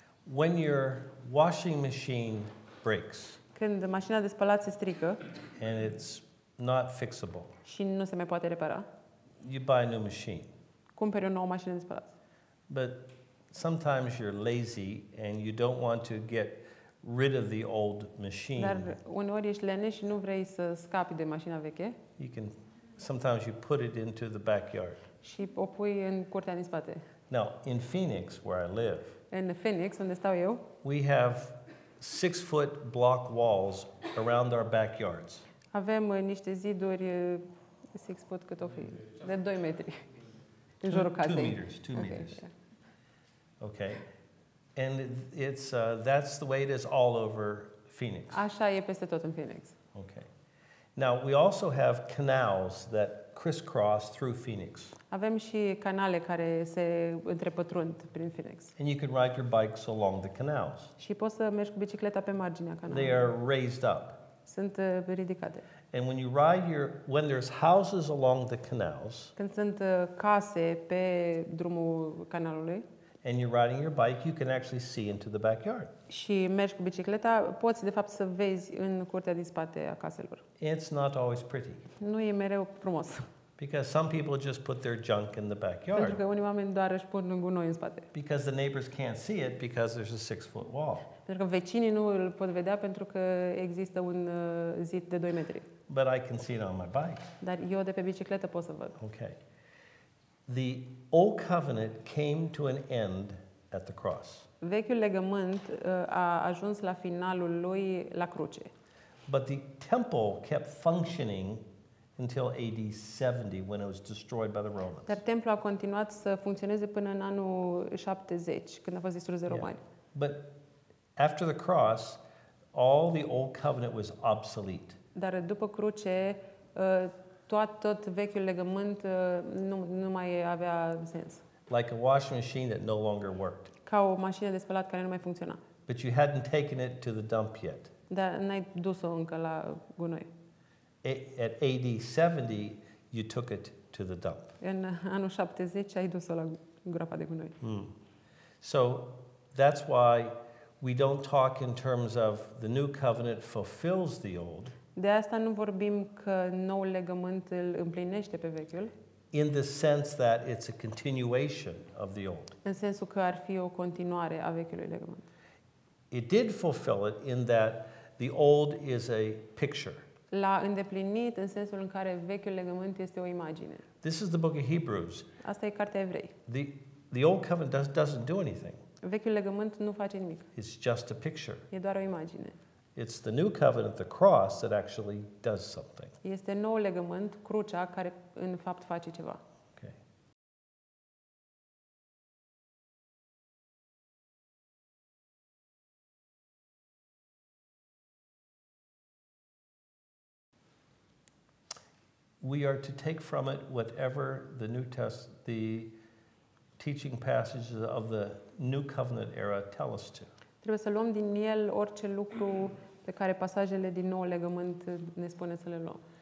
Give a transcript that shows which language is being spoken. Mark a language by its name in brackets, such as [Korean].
[English] When your washing machine breaks. [Romanian] Când mașina de spălat se strică. [English] And it's not fixable. [Romanian] Și nu se mai poate repara. [English] You buy a new machine. [Romanian] Cumperi o nouă mașină de spălat. [English] But sometimes you're lazy and you don't want to get rid of the old machine. [Romanian] Dar uneori ești leneș și nu vrei să scapi de mașina veche. [English] You can sometimes you put it into the backyard. [Romanian] Și o pui în curtea din spate. [English] Now, in Phoenix where I live. [Romanian] In Phoenix, unde stau eu. [English] We have 6-foot block walls around our backyards. [Romanian] Avem niște ziduri 6 foot cât o fi, de 2 metri în jurul casei. [English] 2 meters. Okay. And it's that's the way it is all over Phoenix. [Romanian] Așa e peste tot în Phoenix. [English] Okay. Now, we also have canals that crisscross through Phoenix. [Romanian] Avem și canale care se întrepătrund prin Phoenix. [English] And you can ride your bikes along the canals. [Romanian] Și poți să mergi cu bicicleta pe marginea canalului. [English] They are raised up. [Romanian] Sunt ridicate. [English] And when you ride your when there's houses along the canals. [Romanian] Când sunt case pe drumul canalului. [English] And you're riding your bike, you can actually see into the backyard. [Romanian] Și mergi cu bicicleta, poți de fapt să vezi în curtea din spate a caselor. [English] It's not always pretty. [Romanian] Nu e mereu frumos. [English] Because some people just put their junk in the backyard. [Romanian] Pentru că unii oameni doar își pun gunoi în spate. [English] Because the neighbors can't see it because there's a 6-foot wall. [Romanian] Pentru că vecinii nu îl pot vedea pentru că există un zid de 2 metri. [English] But I can see it on my bike. [Romanian] Dar eu de pe bicicletă pot să văd. [English] Okay. The old covenant came to an end at the cross. [Romanian] Vechiul legământ a ajuns la finalul lui la cruce. [English] But the temple kept functioning until AD 70 when it was destroyed by the Romans. [Romanian] Dar templul a continuat să funcționeze până în anul 70 când a fost distrus de romani. [English] Yeah. But after the cross, all the old covenant was obsolete. [Romanian] Dar după cruce, tot vechiul legământ nu mai avea sens. [English] Like a washing machine that no longer worked. [Romanian] Ca o mașină de spălat care nu mai funcționa. [English] But you hadn't taken it to the dump yet. [Romanian] Dar n-ai dus-o încă la gunoi. [English] At AD 70, you took it to the dump. [Romanian] În anul 70, ai dus-o la groapa de gunoi. [English] So that's why we don't talk in terms of the new covenant fulfills the old. [Romanian] De asta nu vorbim că noul legământ îl împlinește pe vechiul. [English] In the sense that it's a continuation of the old. [Romanian] În sensul că ar fi o continuare a vechiului legământ. [English] It did fulfill it in that the old is a picture. [Romanian] L-a îndeplinit în sensul în care vechiul legământ este o imagine. [English] This is the book of Hebrews. [Romanian] Asta e cartea Evrei. [English] The old covenant doesn't do anything. [Romanian] Vechiul legământ nu face nimic. [English] It's just a picture. [Romanian] E doar o imagine. [English] It's the new covenant, the cross, that actually does something. [Romanian] Este noul legământ, crucea, care în fapt face ceva. [English] Okay. We are to take from it whatever the new test, the teaching passages of the new covenant era tell us to. [Romanian] Trebuie să luăm din el orice lucru pe care pasajele din nou legământ ne spune să le luăm.